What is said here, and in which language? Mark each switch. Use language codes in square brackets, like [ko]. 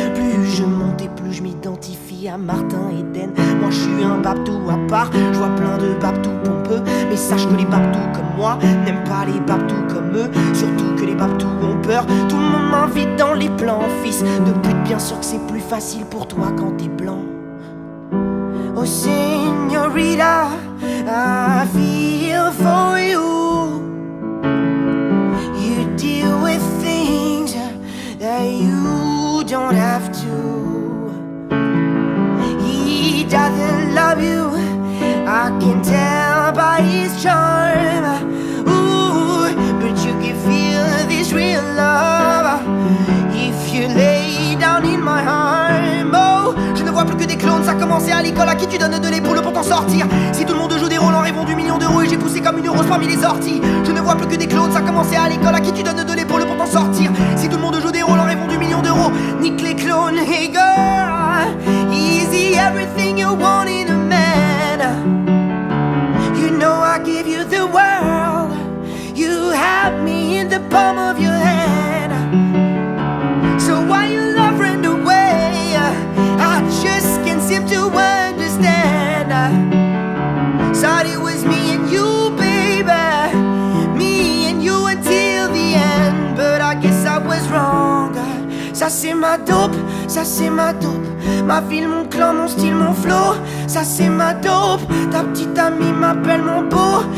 [fr] Plus je monte et plus je m'identifie à Martin Eden. Moi je suis un babtou à part, je vois plein de babtous pompeux. Mais sache que les babtous comme moi n'aiment pas les babtous comme eux. Surtout que les babtous ont peur, tout le monde m'invite dans les plans. Fils de pute, bien sûr que c'est plus facile pour toi quand t'es blanc. [en] Oh señorita, I feel for you. You deal with things that you don't have to. He doesn't love you, I can tell by his charm. Ooh, but you can feel this real love if you lay down in my arm. [fr] Je vois plus que des clones, ça commençait à l'école. À qui tu donnes de l'épaule pour t'en sortir? Si tout le monde joue des rôles en rêvant du million d'euros et j'ai poussé comme une rose parmi les orties. Je ne vois plus que des clones, ça commençait à l'école. À qui tu donnes de l'épaule pour t'en sortir? Si tout le monde joue des rôles en rêvant du million d'euros. Nique les clones, [en] hey girl. Easy, everything you want in a man. You know I give you the world. You have me in the palm of your hand. So why you love ran away? Just can't seem to understand. Thought it was me and you, baby. Me and you until the end. But I guess I was wrong. [fr] Ça c'est ma dope, ça c'est ma dope. Ma ville, mon clan, mon style, mon flow. Ça c'est ma dope. Ta petite amie m'appelle mon beau.